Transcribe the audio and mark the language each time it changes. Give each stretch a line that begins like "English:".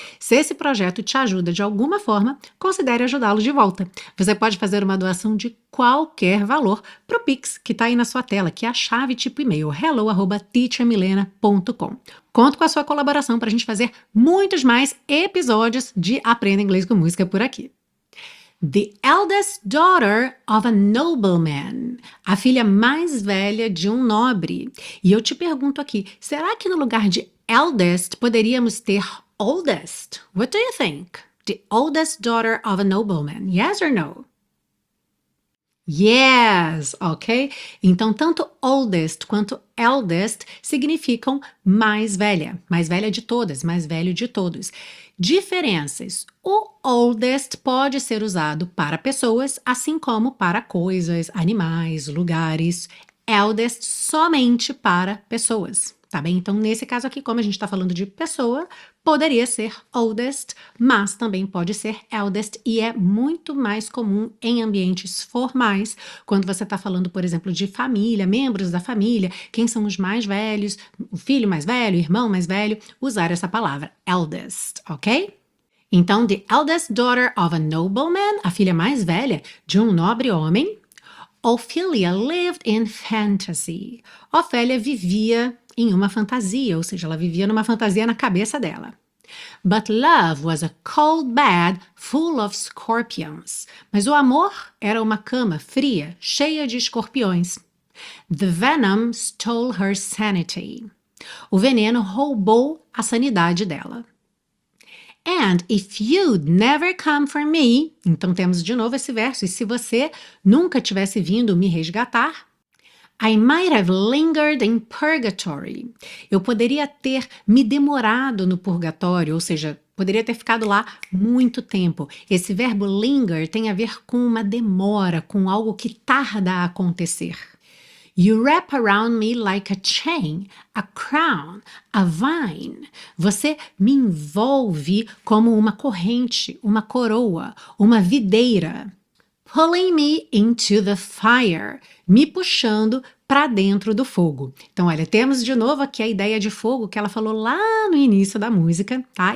Portuguese: Se esse projeto te ajuda de alguma forma, considere ajudá-lo de volta. Você pode fazer uma doação de qualquer valor para o Pix, que está aí na sua tela, que é a chave tipo e-mail, hello@teachermilena.com. Conto com a sua colaboração para a gente fazer muitos mais episódios de Aprenda Inglês com Música por aqui.
English: The eldest daughter of a nobleman.
Portuguese: A filha mais velha de um nobre. E eu te pergunto aqui, será que no lugar de eldest poderíamos ter oldest?
English: What do you think? The oldest daughter of a nobleman. Yes or no? Yes, ok?
Portuguese: Então, tanto oldest quanto eldest significam mais velha de todas, mais velho de todos. Diferenças. O oldest pode ser usado para pessoas, assim como para coisas, animais, lugares. Eldest somente para pessoas, tá bem? Então, nesse caso aqui, como a gente está falando de pessoa, poderia ser oldest, mas também pode ser eldest, e é muito mais comum em ambientes formais, quando você está falando, por exemplo, de família, membros da família, quem são os mais velhos, o filho mais velho, o irmão mais velho, usar essa palavra, eldest, ok? Então,
English: the eldest daughter of a nobleman,
Portuguese: a filha mais velha de um nobre homem.
English: Ophelia lived in fantasy.
Portuguese: Ofélia vivia em uma fantasia, ou seja, ela vivia numa fantasia na cabeça dela.
English: But love was a cold bed full of scorpions.
Portuguese: Mas o amor era uma cama fria, cheia de escorpiões.
English: The venom stole her sanity.
Portuguese: O veneno roubou a sanidade dela.
English: And if you'd never come for me,
Portuguese: então temos de novo esse verso, e se você nunca tivesse vindo me resgatar,
English: I might have lingered in purgatory.
Portuguese: Eu poderia ter me demorado no purgatório, ou seja, poderia ter ficado lá muito tempo. Esse verbo linger tem a ver com uma demora, com algo que tarda a acontecer.
English: You wrap around me like a chain, a crown, a vine.
Portuguese: Você me envolve como uma corrente, uma coroa, uma videira.
English: Pulling me into the fire,
Portuguese: me puxando para dentro do fogo. Então, olha, temos de novo aqui a ideia de fogo que ela falou lá no início da música, tá?